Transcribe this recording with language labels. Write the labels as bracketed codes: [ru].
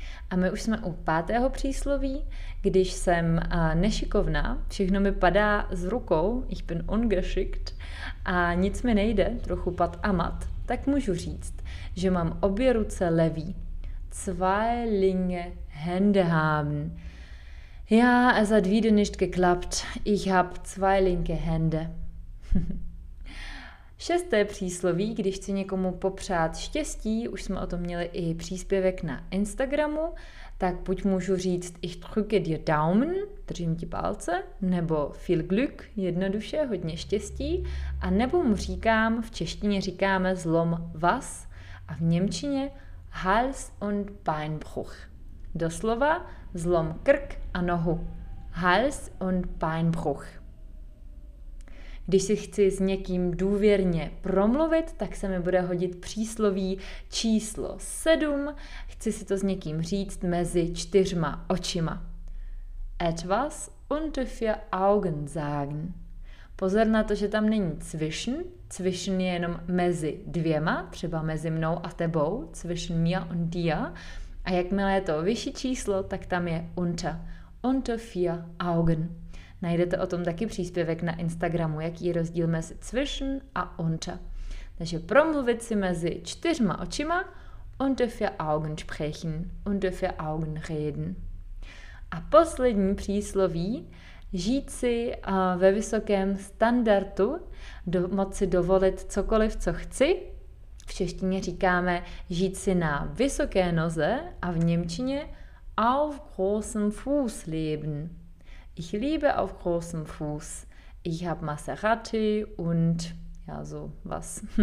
[cs] A my už jsme u pátého přísloví. Když jsem nešikovná, všechno mi padá z rukou, [de] ich bin ungeschickt, [cs] a nic mi nejde, trochu pat a mat, tak můžu říct, že mám obě ruce levý. [de] Zwei linke Hände haben. Ja, es hat wieder nicht geklappt. Ich habe zwei linke Hände. [cs] Šesté přísloví, když chci někomu popřát štěstí, už jsme o tom měli i příspěvek na Instagramu, tak buď můžu říct [de] ich drücke dir Daumen, [cs] držím ti palce, nebo [de] viel Glück, [cs] jednoduše, hodně štěstí, a nebo mu říkám, v češtině říkáme zlom vas a v němčině [de] Hals und Beinbruch. [cs] Doslova zlom krk a nohu. [de] Hals und Beinbruch. [cs] Když si chci s někým důvěrně promluvit, tak se mi bude hodit přísloví číslo 7. Chci si to s někým říct mezi čtyřma očima. [de] Etwas unter vier Augen sagen. [cs] Pozor na to, že tam není zwischen. Zwischen je jenom mezi dvěma, třeba mezi mnou a tebou. [de] Zwischen mir und dir. [cs] A jakmile je to vyšší číslo, tak tam je unter. [de] Unter vier Augen. [cs] Najdete o tom taky příspěvek na Instagramu, jaký je rozdíl mezi zwischen a unter. Takže promluvit si mezi čtyřma očima, [de] unter vier Augen sprechen, unter vier Augen reden. [cs] A poslední přísloví, žít si ve vysokém standardu, moct si dovolit cokoliv, co chci. V češtině říkáme žít si na vysoké noze a v němčině [de] auf großem Fuß leben. Ich liebe auf großem Fuß. Ich habe Maserati und ja, so was.